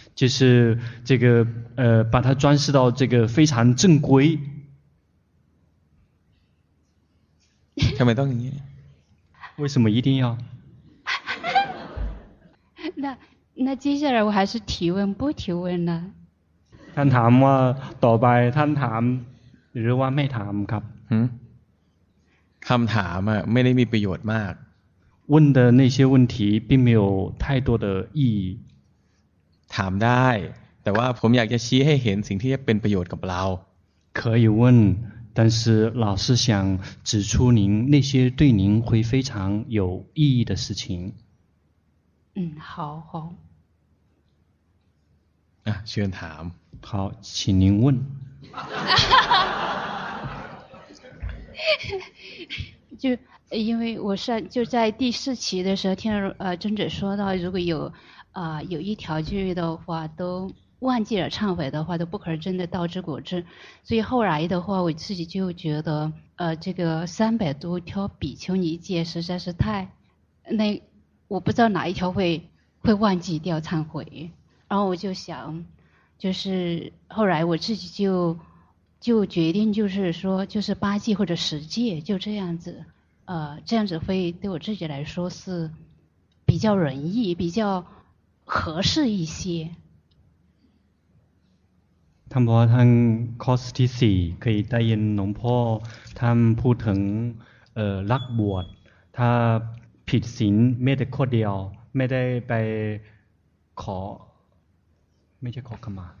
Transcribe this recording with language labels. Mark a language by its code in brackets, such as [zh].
[zh] 就是这个把它装饰到这个非常正规。下面到你。为什么一定要？那接下来我还是提问不提问呢？ [th] ท่านถามว่าต่อไปท่านถามหรือว่าไม่ถามครับ คำถามอ่ะไม่ได้มีประโยชน์มาก [zh] 问的那些问题并没有太多的意义 [th] ถามได้แต่ว่าผมอยากจะชี้ให้เห็นสิ่งที่จะเป็นประโยชน์กับเรา [zh] 可以问但是老师想指出您那些对您会非常有意义的事情。嗯，好好。啊，学员谈。好，请您问。就因为我上就在第四期的时候听尊者说到，如果有有一条戒的话都。忘记了忏悔的话都不可能真的道之果证，所以后来的话我自己就觉得这个三百多条比丘尼戒实在是太那，我不知道哪一条会忘记掉忏悔，然后我就想就是后来我自己就决定就是说就是八戒或者十戒就这样子这样子会对我自己来说是比较容易比较合适一些。 [th] ท่านบอกว่าท่านคอสที่สี่เคยได้ยินหลวงพ่อท่านพูดถึงรักบวชถ้าผิดศีลไม่ได้ข้อเดียวไม่ได้ไปขอไม่ใช่ขอขมา